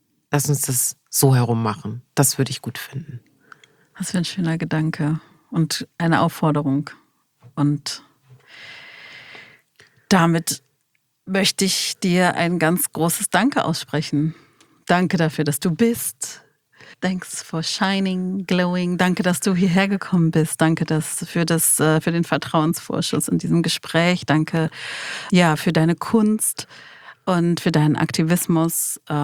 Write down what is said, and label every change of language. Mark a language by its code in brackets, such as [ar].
[de] Lass uns das so herum machen. Das würde ich gut finden. Was für ein schöner Gedanke und eine Aufforderung. Und damit möchte ich dir ein ganz großes Danke aussprechen. Danke dafür, dass du bist. [en] Thanks for shining, glowing. [de] Danke, dass du hierher gekommen bist. Danke für den Vertrauensvorschuss in diesem Gespräch. Danke, ja, für deine Kunst und für deinen Aktivismus.